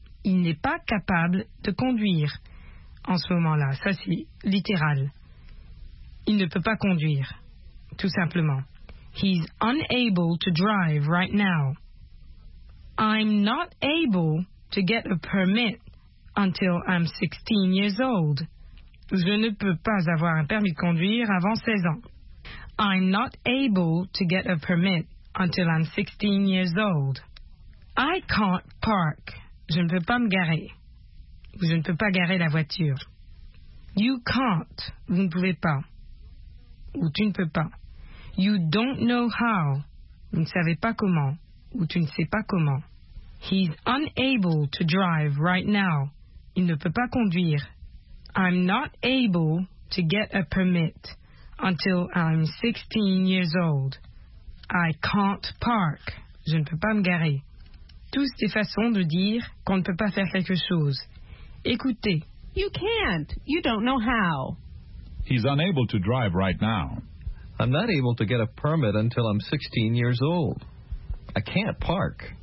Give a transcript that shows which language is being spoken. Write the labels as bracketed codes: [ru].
[fr] Il n'est pas capable de conduire en ce moment-là. Ça, c'est littéral. Il ne peut pas conduire, tout simplement. [en] He's unable to drive right now. I'm not able to get a permit until I'm 16 years old. [fr] Je ne peux pas avoir un permis de conduire avant 16 ans. [en] I'm not able to get a permit until I'm 16 years old. I can't park. [fr] Je ne peux pas me garer. Je ne peux pas garer la voiture. [en] You can't. [fr] Vous ne pouvez pas. Ou tu ne peux pas. [en] You don't know how. [fr] Vous ne savez pas comment. Ou tu ne sais pas comment. [en] He's unable to drive right now. [fr] Il ne peut pas conduire. [en] I'm not able to get a permit until I'm 16 years old. I can't park. [fr] Je ne peux pas me garer. Toutes ces façons de dire qu'on ne peut pas faire quelque chose. Écoutez. [en] You can't. You don't know how. He's unable to drive right now. I'm not able to get a permit until I'm 16 years old. I can't park.